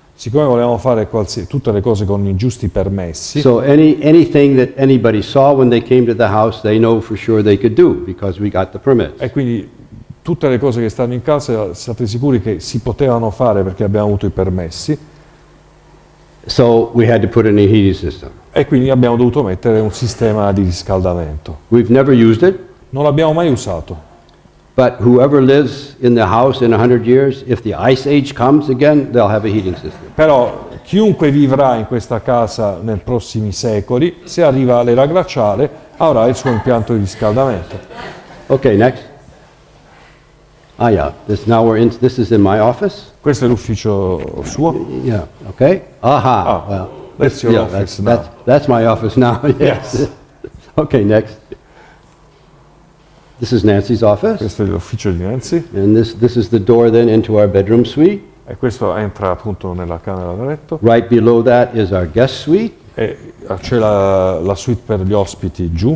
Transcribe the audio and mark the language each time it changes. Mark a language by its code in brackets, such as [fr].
[it] Siccome volevamo fare tutte le cose con i giusti permessi. [en] So anything that anybody saw when they came to the house, they know for sure they could do because we got the permits. [it] E quindi tutte le cose che stanno in casa, state sicuri che si potevano fare perché abbiamo avuto i permessi. [en] So we had to put in a heating system. [it] E quindi abbiamo dovuto mettere un sistema di riscaldamento. [en] We've never used it. [it] Non l'abbiamo mai usato. [en] But whoever lives in the house in 100 years, if the ice age comes again, they'll have a heating system. [it] Però chiunque vivrà in questa casa nei prossimi secoli, se arriva l'era glaciale, avrà il suo impianto di riscaldamento. [en] Okay, next. Ah, yeah. This is in my office. [it] Questo è l'ufficio suo. [en] Yeah. Okay. Aha. Ah, well, that's your office now. That's my office now. Yes. Okay. Next. This is Nancy's office. [it] Questo è l'ufficio di Nancy. [en] And this is the door then into our bedroom suite. [it] E questo entra appunto nella camera da letto. [en] Right below that is our guest suite. [it] c'è la, la suite per gli ospiti giù.